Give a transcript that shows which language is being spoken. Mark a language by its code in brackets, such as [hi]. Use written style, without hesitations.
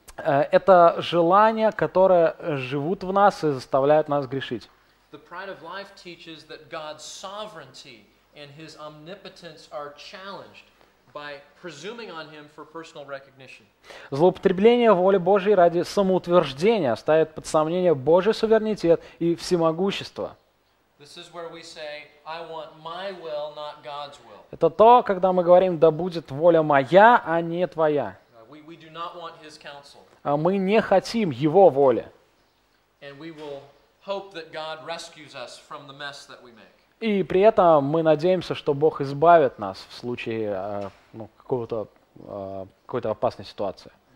[ru] Это желания, которые живут в нас и заставляют нас грешить. [en] The pride of life teaches that God's sovereignty and his omnipotence are challenged by presuming on him for personal recognition. [ru] Злоупотребление воли Божией ради самоутверждения ставит под сомнение Божий суверенитет и всемогущество. [en] This is where we say, I want my will, not God's will. [ru] Это то, когда мы говорим, да будет воля моя, а не твоя. [en] We do not want his counsel. [ru] А мы не хотим его воли. [en] And we will hope that God rescues us from the mess that we make. [ru] И при этом мы надеемся, что Бог избавит нас в случае ну, какой-то опасной ситуации.